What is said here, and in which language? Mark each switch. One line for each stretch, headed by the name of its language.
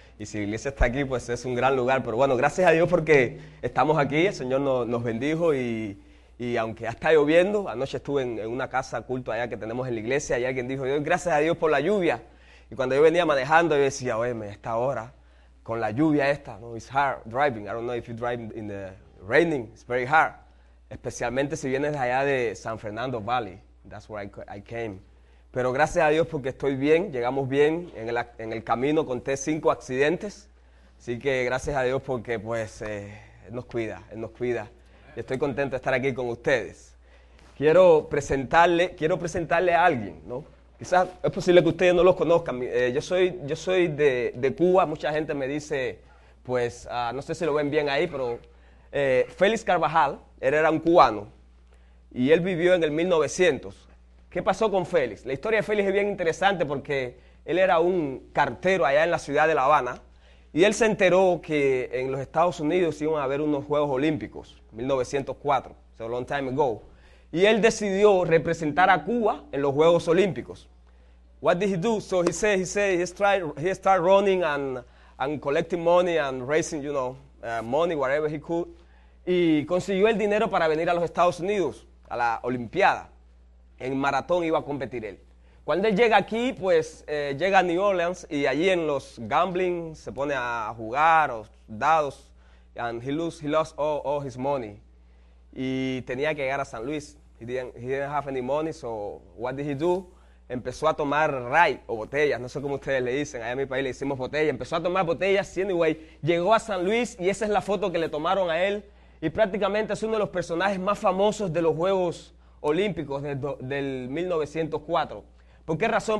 Spanish: Y si la iglesia está aquí, pues es un gran lugar. Pero bueno, gracias a Dios porque estamos aquí, el Señor nos bendijo y aunque ya está lloviendo, anoche estuve en una casa culto allá que tenemos en la iglesia y alguien dijo, Dios, gracias a Dios por la lluvia. Y cuando yo venía manejando, yo decía, oye, esta hora, con la lluvia esta, ¿no?
English: It's hard driving, I don't know if you drive in the raining, it's very hard.
Spanish: Especialmente si vienes de allá de San Fernando Valley,
English: that's where I came.
Spanish: Pero gracias a Dios porque estoy bien, llegamos bien, en el camino conté cinco accidentes, así que gracias a Dios porque pues Él nos cuida, Él nos cuida. Y estoy contento de estar aquí con ustedes. Quiero presentarle a alguien, ¿no? Quizás es posible que ustedes no los conozcan, yo soy de Cuba, mucha gente me dice, pues no sé si lo ven bien ahí, pero Félix Carvajal, él era un cubano y él vivió en el 1900. ¿Qué pasó con Félix? La historia de Félix es bien interesante porque él era un cartero allá en la ciudad de La Habana y él se enteró que en los Estados Unidos iban a haber unos Juegos Olímpicos, 1904,
English: so long time ago.
Spanish: Y él decidió representar a Cuba en los Juegos Olímpicos.
English: What did he do? So he started running and collecting money and raising, money, whatever he could.
Spanish: Y consiguió el dinero para venir a los Estados Unidos, a la Olimpiada. En maratón iba a competir él. Cuando él llega aquí, pues llega a New Orleans y allí en los gambling se pone a jugar, o dados,
English: and he lost all his money.
Spanish: Y tenía que llegar a San Luis.
English: He didn't have any money, so what did he do?
Spanish: Empezó a tomar ride o botellas, no sé cómo ustedes le dicen, allá en mi país le decimos botella. Empezó a tomar botellas, anyway, llegó a San Luis y esa es la foto que le tomaron a él. Y prácticamente es uno de los personajes más famosos de los Juegos Olímpicos del 1904. ¿Por qué razón?